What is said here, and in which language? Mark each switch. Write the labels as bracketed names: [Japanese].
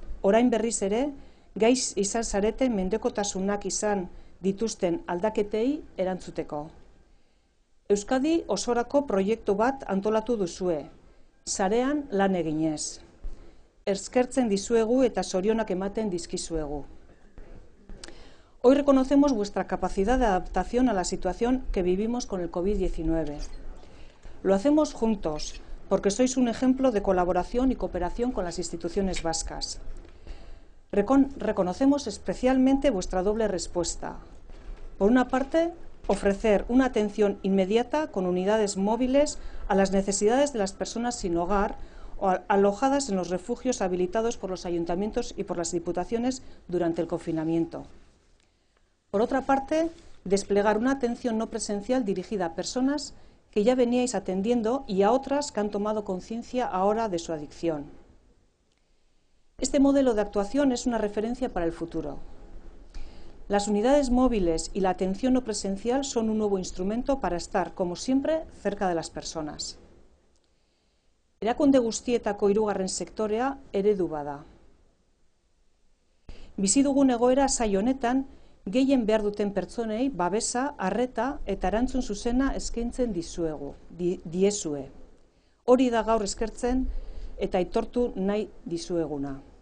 [Basque] Orain berriz ere, gaiz izan zareten mendekotasunak izan dituzten aldaketei erantzuteko. Euskadi osorako proiektu bat antolatu duzue, sarean lan eginez. Eskertzen dizuegu eta zorionak ematen dizkizuegu. [Spanish] Hoy reconocemos vuestra capacidad de adaptación a la situación que vivimos con el COVID-19. Lo hacemos juntos, porque sois un ejemplo de colaboración y cooperación con las instituciones vascas. Reconocemos especialmente vuestra doble respuesta. Por una parte, ofrecer una atención inmediata con unidades móviles a las necesidades de las personas sin hogar o alojadas en los refugios habilitados por los ayuntamientos y por las diputaciones durante el confinamiento. Por otra parte, desplegar una atención no presencial dirigida a personas que ya veníais atendiendo y a otras que han tomado conciencia ahora de su adicción. Este modelo de actuación es una referencia para el futuro. Las unidades móviles y la atención no presencial son un nuevo instrumento para estar, como siempre, cerca de las personas. [Basque] Erakunde guztietako hirugarren sektorea eredu bada. Bizi dugun egoera saio honetan, gehien behar duten pertsonei babesa, arreta eta erantzun zuzena eskaintzen dizuegu, diezue. Hori da gaur eskertzen eta aitortu nahi dizueguna.